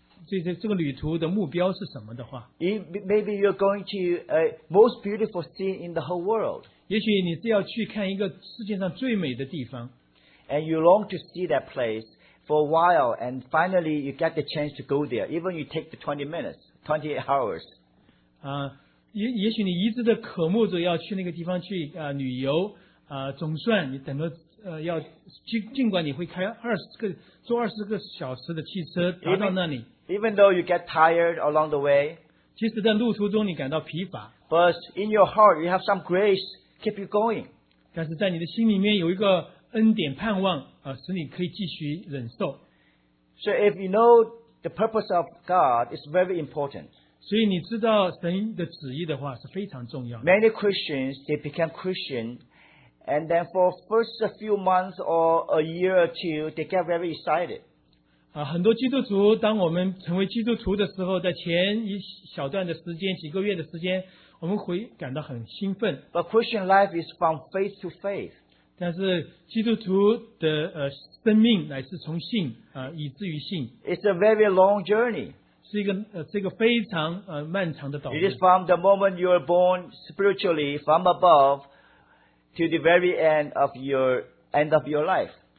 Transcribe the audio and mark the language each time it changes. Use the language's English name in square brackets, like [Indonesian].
[Chinese] 但是如果你真是知道明白你这个旅途的目标是什么的话， [English] maybe you're going to a most beautiful scene in the whole world. [Chinese] 也许你是要去看一个世界上最美的地方。 [English] And you long to see that place. For a while, and finally you get the chance to go there, even you take the 20 minutes, 28 hours. [Chinese] 也许你一直的渴慕着要去那个地方去旅游，总算你等了，尽管你会开20个小时的汽车达到那里。 [English] Even though you get tired along the way, [Chinese] 即使在路途中你感到疲乏, [English] but in your heart you have some grace keep you going. [Chinese] 但是在你的心里面有一个 恩典盼望，使你可以继续忍受。 [English] So if you know the purpose of God, it's very important. [Chinese] 所以你知道神的旨意的话是非常重要的。 [English] Many Christians, they become Christian, and then for first a few months or a year or two, they get very excited. [Chinese] 很多基督徒，当我们成为基督徒的时候，在前一小段的时间，几个月的时间，我们会感到很兴奋。 [English] But Christian life is from faith to faith. [Chinese] 但是基督徒的生命乃是从信以至于信。 [English] It's a very long journey. [Chinese] 是一个非常漫长的道路。 [English] It is from the moment you are born spiritually from above to the very end of your life.